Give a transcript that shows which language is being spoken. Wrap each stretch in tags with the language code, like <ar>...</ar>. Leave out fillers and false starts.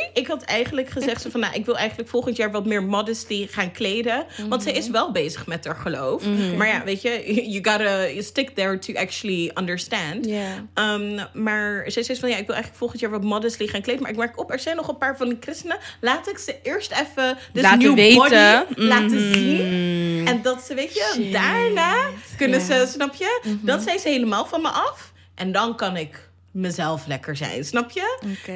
<nl>Ik had eigenlijk gezegd, van, nou, ik wil eigenlijk volgend jaar wat meer modesty gaan kleden. Mm-hmm. Want ze is wel bezig met haar geloof. Mm-hmm. Maar ja, weet je,</nl> <en>you gotta stick there to actually understand.</en> <nl>Maar ze zei van, ja, ik wil eigenlijk volgend jaar wat modesty gaan kleden. Maar ik merk op, er zijn nog een paar van de christenen. Laat ik ze eerst even dus laten new weten. Body laten zien. En dat ze, weet je, daarna kunnen ze, snap je? Mm-hmm. Dan zijn ze helemaal van me af. En dan kan ik mezelf lekker zijn, snap je? Okay.</nl>